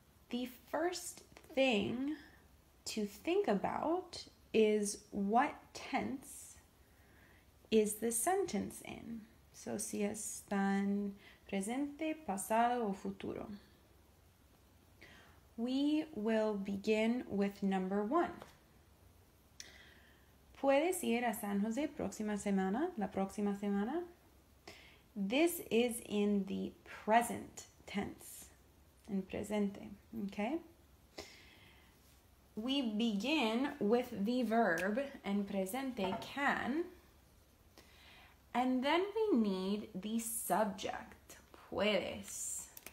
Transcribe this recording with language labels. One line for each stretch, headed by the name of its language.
English: The first thing to think about is what tense is the sentence in?
Spanish: So, si están presente, pasado, o futuro.
English: We will begin with number one.
Spanish: ¿Puedes ir a San Jose próxima semana? La próxima semana.
English: This is in the present tense.
Spanish: En presente,
English: okay? We begin with the verb en presente, can. And then we need the subject, puedes.